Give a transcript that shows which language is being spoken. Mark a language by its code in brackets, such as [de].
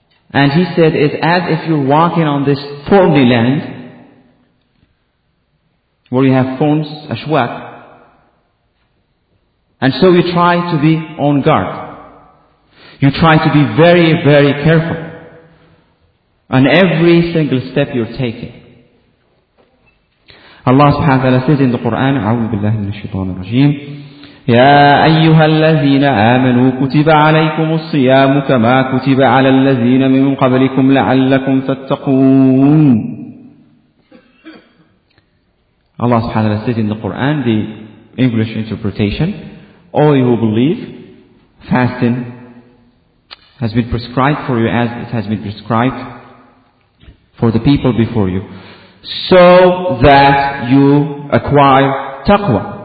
[en] And he said, it's as if you're walking on this thorny land where you have thorns, ashwak. And so you try to be on guard. You try to be very, very careful on every single step you're taking. Allah subhanahu wa ta'ala says in the Quran, [ar] أعوذ بالله من الشيطان الرجيم يا أيها الذين آمنوا كتب عليكم الصيام كما كتب على الذين من قبلكم لعلكم تتقون. [en] Allah subhanahu wa ta'ala says in the Quran, the English interpretation, all you who believe, fasting has been prescribed for you as it has been prescribed for the people before you, so that you acquire taqwa.